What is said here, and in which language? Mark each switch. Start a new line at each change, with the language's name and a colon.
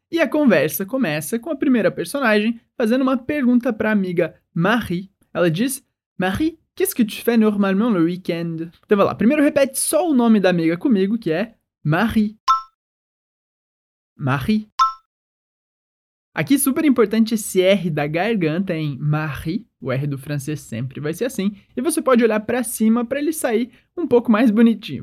Portuguese: E a conversa começa com a primeira personagem fazendo uma pergunta para a amiga Marie. Ela diz,
French: Marie, qu'est-ce que tu fais normalement le week-end?
Portuguese: Então, vai lá. Primeiro, repete só o nome da amiga comigo, que é Marie. Marie. Aqui, super importante esse R da garganta em Marie. O R do francês sempre vai ser assim. E você pode olhar para cima para ele sair um pouco mais bonitinho.